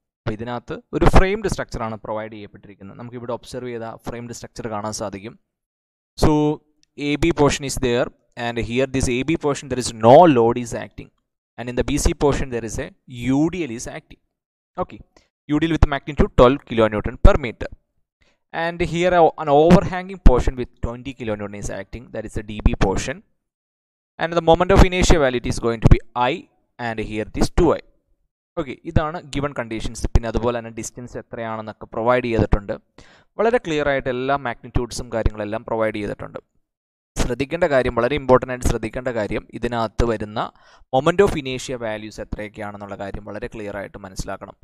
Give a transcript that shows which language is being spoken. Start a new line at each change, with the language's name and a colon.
Malayalam: അപ്പോൾ ഇതിനകത്ത് ഒരു ഫ്രെയിംഡ് സ്ട്രക്ചറാണ് പ്രൊവൈഡ് ചെയ്യപ്പെട്ടിരിക്കുന്നത്. നമുക്കിവിടെ ഒബ്സർവ് ചെയ്ത ഫ്രെയിംഡ് സ്ട്രക്ചർ കാണാൻ സാധിക്കും.
English: So AB portion is there and here this AB portion there is no load is acting and in the BC portion there is a UDL is acting. Okay, UDL with magnitude 12 kN/m. And here an overhanging portion with 20 kN is acting, that is the DB portion. And the moment of inertia value is going to be I, and here it is 2I.
Malayalam: Okay, ഇതാണ് given conditions. പിന്നെ അതുപോലെ തന്നെ distance എത്രയാണെന്നൊക്കെ provide ചെയ്തിട്ടുണ്ട്. വളരെ clear ആയിട്ട് എല്ലാ മാഗ്നിറ്റ്യൂഡ്സും കാര്യങ്ങളെല്ലാം provide ചെയ്തിട്ടുണ്ട്. ശ്രദ്ധിക്കേണ്ട കാര്യം, വളരെ ഇമ്പോർട്ടൻ്റ് ആയിട്ട് ശ്രദ്ധിക്കേണ്ട കാര്യം, ഇതിനകത്ത് വരുന്ന മൊമെൻ്റ് ഓഫ് ഇനീഷ്യ വാല്യൂസ് എത്രയൊക്കെയാണെന്നുള്ള കാര്യം വളരെ ക്ലിയർ ആയിട്ട് മനസ്സിലാക്കണം.